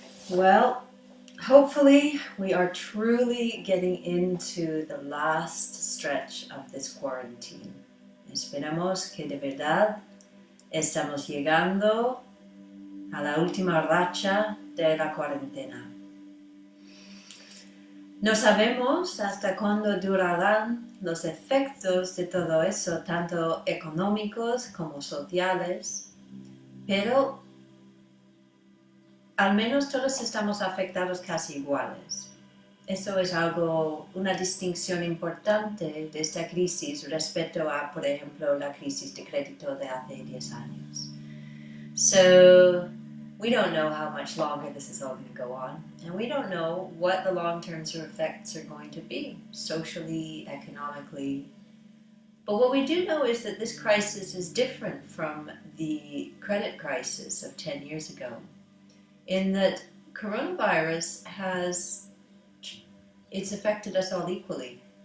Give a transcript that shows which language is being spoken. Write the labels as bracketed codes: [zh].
[en] Well, hopefully we are truly getting into the last stretch of this quarantine. [es] Esperamos que de verdad estamos llegando a la última racha de la cuarentena. No sabemos hasta cuándo durarán los efectos de todo eso, tanto económicos como sociales, pero al menos todos estamos afectados casi iguales. Eso es algo, una distinción importante de esta crisis respecto a, por ejemplo, la crisis de crédito de hace 10 años. [en] So, we don't know how much longer this is all going to go on, and we don't know what the long-term effects are going to be, socially, economically. But what we do know is that this crisis is different from the credit crisis of 10 years ago, in that coronavirus has it's affected us all equally.